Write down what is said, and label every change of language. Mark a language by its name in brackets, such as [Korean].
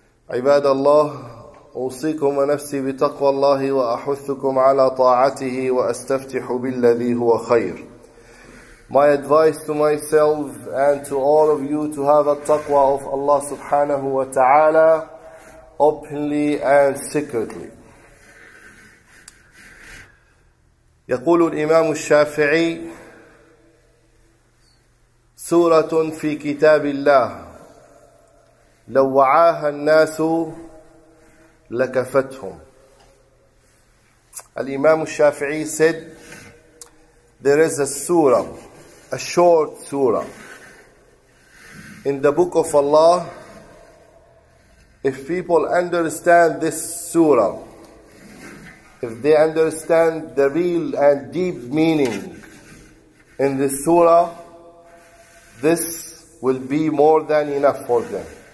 [Arabic] عباد الله، أوصيكم ونفسي بتقوى الله وأحثكم على طاعته وأستفتح بالذي هو خير. [English] My advice to myself and to all of you to have a taqwa of Allah subhanahu wa ta'ala openly and secretly. [Arabic] يقول الإمام الشافعي سورة في كتاب الله لو وعاها الناس لكفتهم. [English] الإمام الشافعي said there is a surah, a short surah in the book of Allah. If people understand this surah, if they understand the real and deep meaning in this surah, this will be more than enough for them.